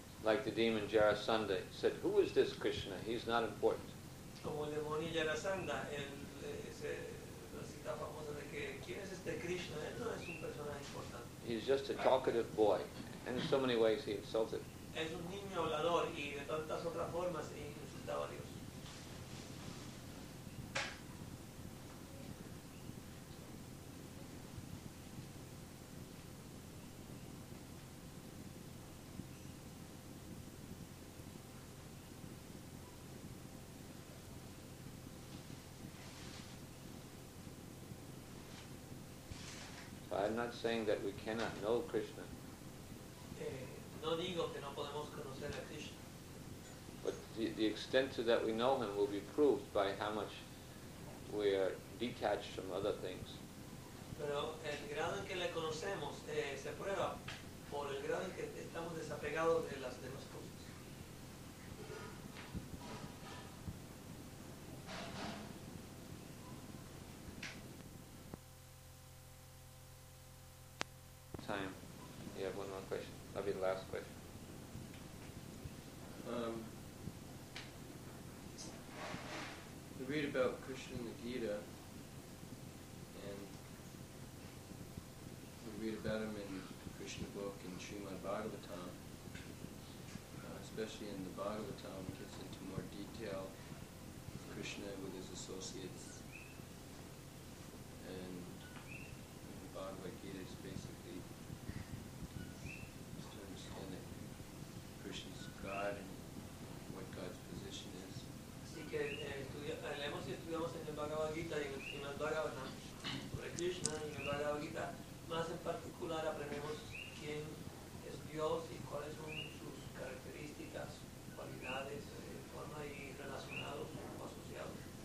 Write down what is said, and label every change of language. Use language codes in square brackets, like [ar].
[en] Like the demon Jarasandha said, "Who is this Krishna? He's not important." [es] Como el demonio Jarasandha, la cita famosa de que ¿quién es este Krishna? Él no es un personaje importante. [en] He's just a talkative boy. And in so many ways he insulted. [es] Es un niño hablador y de tantas otras formas insultaba a Dios. [en] So I'm not saying that we cannot know Krishna. [es] No digo que no podemos conocer a Krishna. [en] But the extent to that we know him will be proved by how much we are detached from other things. [es] Pero el grado en que le conocemos se prueba por el grado en que estamos desapegados de las demás cosas. [en] Time. You have one more question. That'll be the last question. We read about Krishna in the Gita, and we read about him in the Krishna book and Srimad Bhagavatam. Especially in the Bhagavatam, it gets into more detail of Krishna with his associates. And the Bhagavad Gita is basically just to understand that Krishna's God and what God's position is. [es] Leemos y estudiamos en el Bhagavad Gita y en el Srimad Bhagavatam sobre Krishna y en el Bhagavad Gita. Más en particular aprendemos quién es Dios y cuáles son sus características, cualidades, forma y relacionados o asociados.